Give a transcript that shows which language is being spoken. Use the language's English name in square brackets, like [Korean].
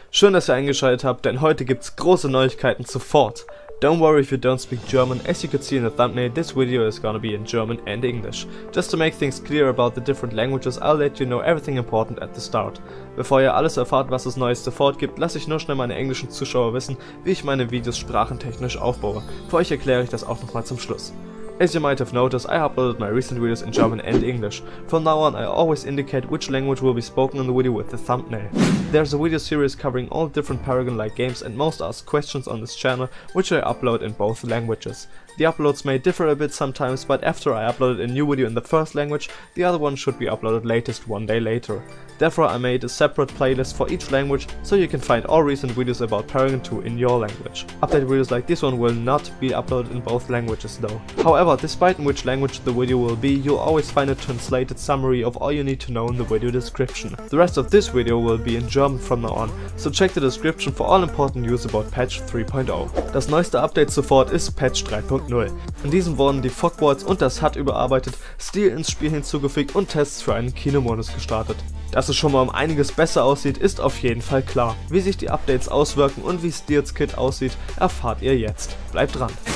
[German] Schön, dass ihr eingeschaltet habt, denn heute gibt's große Neuigkeiten zu Ford. [English] Don't worry if you don't speak German, as you could see in the thumbnail, this video is gonna be in German and English. Just to make things clear about the different languages, I'll let you know everything important at the start. [German] Bevor ihr alles erfahrt, was es Neues zu Ford gibt, lasse ich nur schnell meine englischen Zuschauer wissen, wie ich meine Videos sprachentechnisch aufbaue. Für euch erkläre ich das auch nochmal zum Schluss. [English] As you might have noticed, I uploaded my recent videos in German and English. From now on, I always indicate which language will be spoken in the video with the thumbnail. There's a video series covering all different Paragon-like games and most asked questions on this channel, which I upload in both languages. The uploads may differ a bit sometimes, but after I uploaded a new video in the first language, the other one should be uploaded latest one day later. Therefore, I made a separate playlist for each language, so you can find all recent videos about Paragon 2 in your language. Updated videos like this one will not be uploaded in both languages though. However, despite in which language the video will be, you'll always find a translated summary of all you need to know in the video description. The rest of this video will be in German from now on, so check the description for all important news about Patch 3.0. [German] Das neueste Update sofort ist Patch 3.0. In diesem wurden die Fogboards und das HUD überarbeitet, Stil ins Spiel hinzugefügt und Tests für einen Kinomodus gestartet. Dass es schon mal um einiges besser aussieht, ist auf jeden Fall klar. Wie sich die Updates auswirken und wie Steel's Kit aussieht, erfahrt ihr jetzt. Bleibt dran!